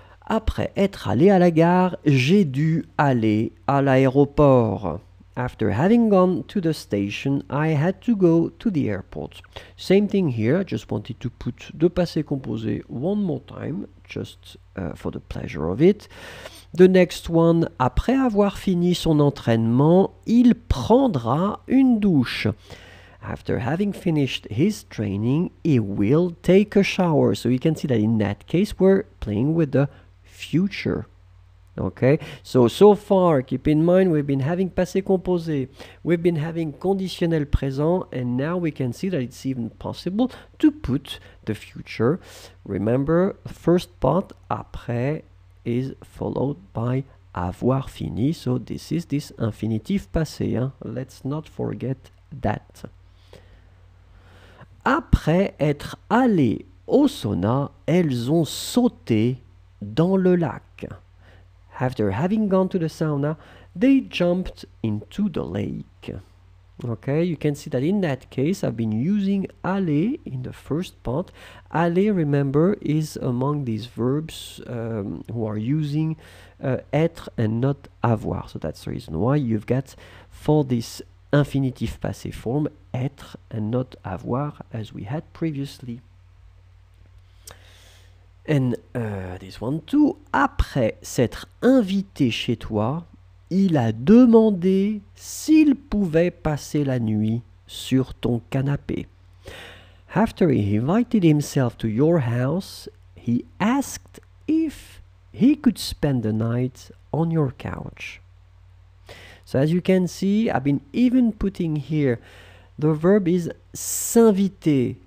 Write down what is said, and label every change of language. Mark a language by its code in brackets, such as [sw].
[fr] Après être allé à la gare, j'ai dû aller à l'aéroport. [en] After having gone to the station, I had to go to the airport. Same thing here, I just wanted to put the passé composé one more time, just for the pleasure of it. The next one, [fr] après avoir fini son entraînement, il prendra une douche. [en] After having finished his training, he will take a shower. So you can see that in that case, we're playing with the future. Okay, so far, keep in mind, we've been having passé composé, we've been having conditionnel présent, and now we can see that it's even possible to put the future. Remember, first part, après, is followed by avoir fini, so this is this infinitif passé, hein? Let's not forget that. [fr] Après être allés au sauna, elles ont sauté dans le lac. [en] After having gone to the sauna, they jumped into the lake. Okay, you can see that in that case, I've been using aller in the first part. Aller, remember, is among these verbs who are using être and not avoir. So that's the reason why you've got for this infinitive passé form, être and not avoir, as we had previously. And this one too. [fr] Après s'être invité chez toi, il a demandé s'il pouvait passer la nuit sur ton canapé. [en] After he invited himself to your house, he asked if he could spend the night on your couch. So as you can see, I've been even putting here, the verb is s'inviter.